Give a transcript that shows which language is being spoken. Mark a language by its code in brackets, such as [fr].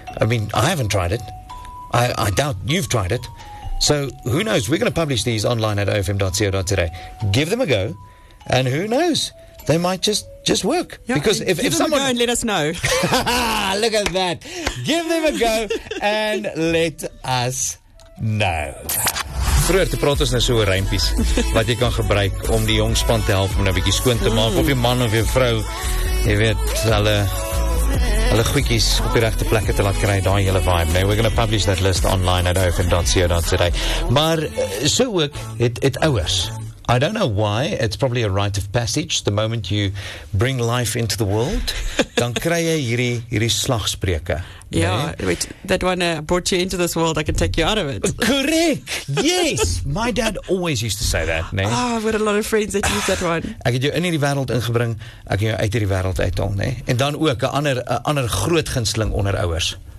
[en] I mean, I haven't tried it. I doubt you've tried it. So who knows? We're going to publish these online at ofm.co.za. Give them a go. And who knows? They might just work. Yeah, because if someone... Give them a go and let us know. Look at that. Give them a go and let us know. [af] Vroeger te praat ons nou so oor rympies wat jy kan gebruik om die jong span te help om nou 'n bietjie skoon te maak. Of jou man of jou vrou, jy weet, hulle goedjies op die regte plekke te laat kry, daai hele vibe. [en] Nee, we're going to publish that list online at ofm.co.za. [af] Maar so ook het ouers [en] I don't know why. It's probably a rite of passage. The moment you bring life into the world, [af] dan kry jy hierdie slagspreuke. [en] Yeah, wait, that one brought you into this world, I can take you out of it. Correct! Yes! My dad always used to say that, [af] nee? [en] Oh, I've got a lot of friends that use that one. [af] Ek het jou in hierdie wêreld ingebring, ek het jou uit hierdie wêreld uithaal, nee? En dan ook, een ander groot gunsteling onder ouers.